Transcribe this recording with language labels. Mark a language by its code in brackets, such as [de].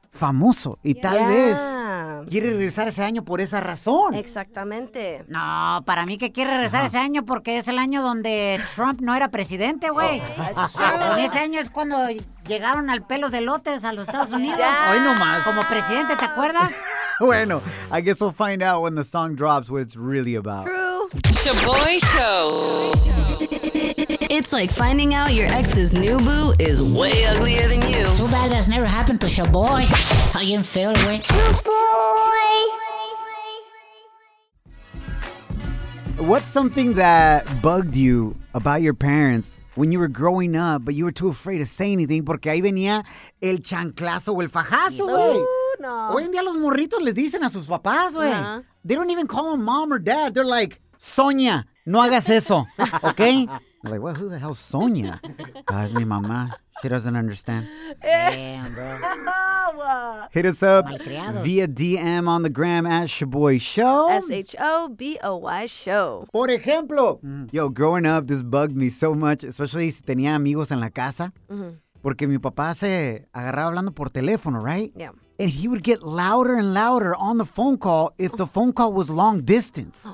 [es] famoso y tal vez quiere regresar ese año por esa razón. Exactamente. No, para mí que quiere regresar ese año porque es el año donde Trump no era presidente, güey. Oh, ese año es cuando llegaron al pelo de lotes a los Estados Unidos. Hoy nomás. Como presidente, ¿te acuerdas? [en] Bueno, I guess we'll find out when the song drops what it's really about. True. Shoboy Show. It's like finding out your ex's new boo is way uglier than you. Too bad that's never happened to Shoboy. How you feel, boy? Shoboy! What's something that bugged you about your parents when you were growing up, but you were too afraid to say anything [es] porque ahí venía el chanclazo o el fajazo, güey? No. Hoy en día los morritos les dicen a sus papás, güey. Uh-huh. [en] They don't even call them mom or dad. They're like, Sonia, [es] no hagas eso, ¿ok? [en] I'm like, well, who the hell is Sonia? That's me, mamá. She doesn't understand. Damn, bro. Hit us up via DM on the gram at Shoboy Show. Shoboy Show. [es] Por ejemplo. Yo, [en] growing up, this bugged me so much, especially [es] si tenía amigos en la casa. Mm-hmm. Porque mi papá se agarraba hablando por teléfono, right? [en] Yeah. And he would get louder and louder on the phone call if the phone call was long distance.